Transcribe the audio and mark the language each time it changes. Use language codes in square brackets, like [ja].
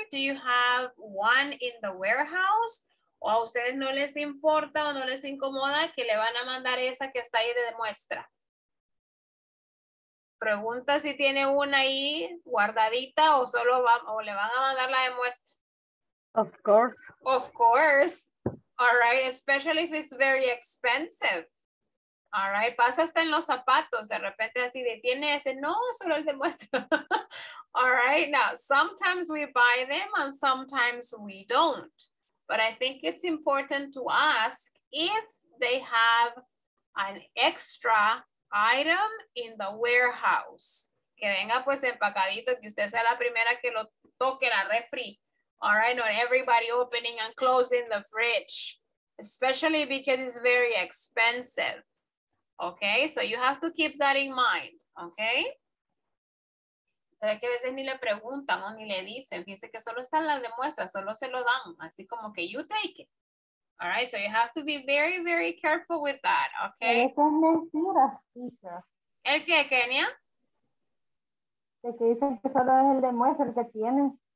[en] Do you have one in the warehouse? [es] O a ustedes no les importa o no les incomoda que le van a mandar esa que está ahí de muestra. Pregunta si tiene una ahí guardadita o solo va, o le van a mandar la de muestra. [en] Of course. Of course. All right, especially if it's very expensive. [es] All right, pasa hasta en los zapatos, de repente así detiene ese, no, solo el demuestra. [en] All right, now, sometimes we buy them and sometimes we don't. But I think it's important to ask if they have an extra item in the warehouse. [es] Que venga pues empacadito, que usted sea la primera que lo toque la refri. [en] All right, not everybody opening and closing the fridge, especially because it's very expensive. Okay, so you have to keep that in mind, okay? [es] Sabe que a veces ni le preguntan o ni le dicen, fíjense que solo están las demuestras, solo se lo dan, así como que you take it. [en] All right, so you have to be very, very careful with that, okay? [es] Eso es mentira, teacher. ¿El qué, Kenia? De que dicen que solo es el demuestra el que tiene.